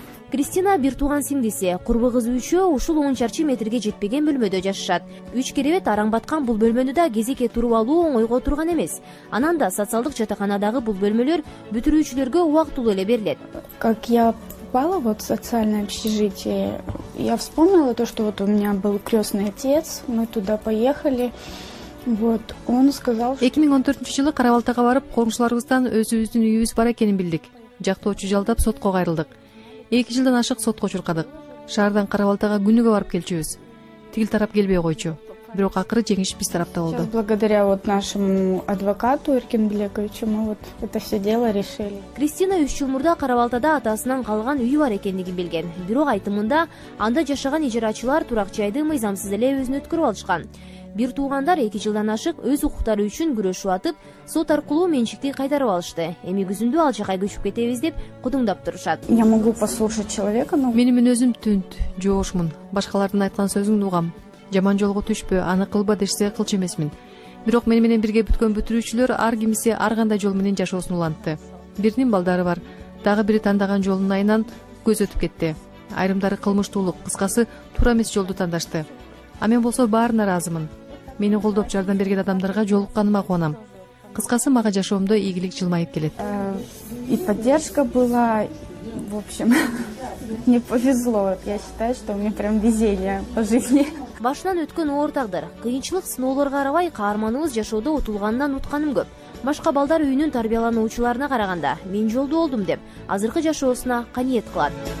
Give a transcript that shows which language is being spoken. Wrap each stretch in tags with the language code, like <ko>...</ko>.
<ky>Кристина бир тууган сиңдиси, курбу кызы үчөө ушул 10 чарчы метрге жетпеген бөлмөдө жашашат. Үч керебет араң баткан бул бөлмөнү да кезекке туруп алуу оңойго турган эмес. Анан да социалдык жатаканадагы бул бөлмөлөр бүтүрүүчүлөргө убактылуу эле берилет.</ky> <ru>Как я попала вот в социальное общежитие, я вспомнила то, что вот у меня был крестный отец, мы туда поехали. Вот, он сказал, что</ru> <ky>2014 жылы Каравалтага барып, коңшуларыбыздан өзүбүздүн үйүбүз бар экенин билдик. Жактоочу жалдап сотко кайрылдык. 2 жылдан ашык сотко чуркадык. Шаардан Каравалтага күнүгө барып келчүбүз. Тигил тарап келбей койчу. Бирок акыры жеңиш биз тарапта болду.</ky> <ru>Благодаря вот нашему адвокату Эркин Блековичу мы вот это все дело решили.</ru> <ky>Кристина 3 жыл мурда Каравалтада атасынан калган үйү бар экендигин билген. Бирок айтымында анда жашаган ижарачылар турак жайды мыйзамсыз эле өзүнөткөрүп алышкан. Бир туугандар 2 жылдан ашык өз укуктары үчүн күрөшүп атып, сот аркылуу менчикти кайтарып алышты. Эми күзүндө ал жакка көчүп кетебиз деп кудуңдап турушат.</ky> <ru>Я могу послушать человека, но</ru> <ky>менин мүнөзүм түнт, жоошмун. Башкалардын айткан сөзүн угам. Жаман жолго түшпө, аны кылба дешсе кылчу эмесмин. Бирок мени менен бирге бүткөн бүтүрүүчүлөр ар кимиси ар кандай жол менен жашоосун улантты. Биринин балдары бар, дагы бири тандаган жолдун айынан көз өтүп кетти. Айрымдары кылмыштуулук, кыскасы туура эмес жолду тандашты. А мен болсо баарына разымын. Мени колдоп жардам берген адамдарга жолукканыма кубанам. Кыскасы мага жашоомдо ийгилик жылмайып келет.</ky> <ru>И поддержка была, в общем, мне повезло. Я считаю, что у меня прям везение по жизни.</ru> <ky>Башынан өткөн оор тагдыр, кыйынчылык, сыноолорго карабай каарманыбыз жашоодо утулгандан утканым көп. Башка балдар үйүнүн тарбиялануучуларына караганда, мен жолду болдум деп, азыркы жашоосуна каниет кылат.</ky>